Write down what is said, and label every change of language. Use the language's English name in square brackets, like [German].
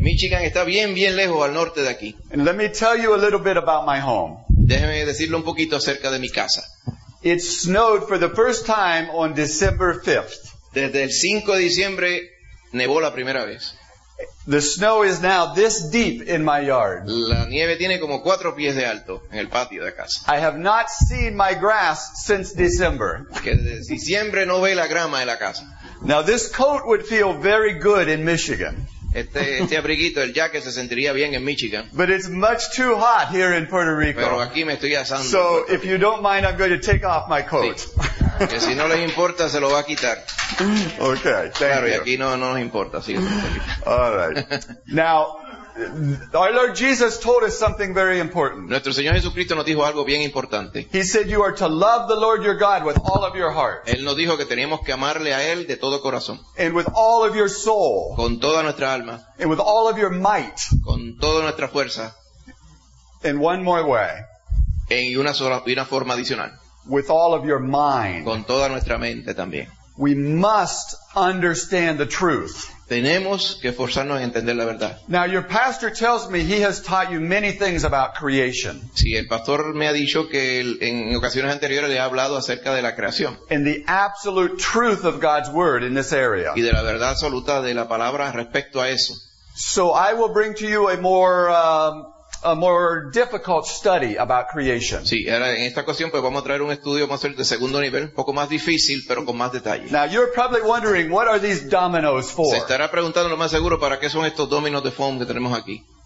[Spanish] Michigan está bien, bien lejos al norte de aquí. [English] And let me tell you a little bit about my home. [Spanish] Déjeme decirle un poquito acerca de mi casa. [English] It snowed for the first time on December 5th. [Spanish] Desde el 5 de diciembre nevó la primera vez. [English] The snow is now this deep in my yard. [Spanish] La nieve tiene como 4 pies de alto en el patio de casa. [English] I have not seen my grass since December. [Spanish] Que desde diciembre no ve la grama de la casa. [English] Now this coat would feel very good in Michigan. [Spanish] Este abriguito, el jacket, se sentiría bien en Michigan. [English] But it's much too hot here in Puerto Rico. [Spanish] Pero aquí me estoy asando. [English] So if you don't mind, I'm going to take off my coat. [Spanish] Sí. Que si no les importa, se lo va a quitar. [English] Okay, thank [Spanish] claro, [English] you. [Spanish] Y aquí no nos importa. Sí. [English] All right. Now, our Lord Jesus told us something very important. [Spanish] Nuestro Señor Jesucristo nos dijo algo bien importante. [English] He said you are to love the Lord your God with all of your heart. [Spanish] Él nos dijo que teníamos que amarle a Él de todo corazón. [English] And with all of your soul. [Spanish] Con toda nuestra alma. [English] And with all of your might. [Spanish] Con toda nuestra fuerza. [English] In one more way. [Spanish] En una sola y una forma adicional. [English] With all of your mind. [Spanish] Con toda nuestra mente también. [English] We must understand the truth. [Spanish] Tenemos que forzarnos a entender la verdad. [English] Now your pastor tells me he has taught you many things about creation. [Spanish] Sí, el pastor me ha dicho que en ocasiones anteriores le ha hablado acerca de la creación. [English] And the absolute truth of God's word in this area. [Spanish] Y de la verdad absoluta de la palabra respecto a eso. [English] So I will bring to you a more difficult study about creation. [Spanish] Sí, ahora en esta ocasión pues vamos a traer un estudio, vamos a hacer de segundo nivel, un poco más difícil, pero con más detalle. [English] Now you're probably wondering what are these dominoes for? [Spanish] Se estará preguntando lo más seguro para qué son estos dominos de foam que tenemos aquí.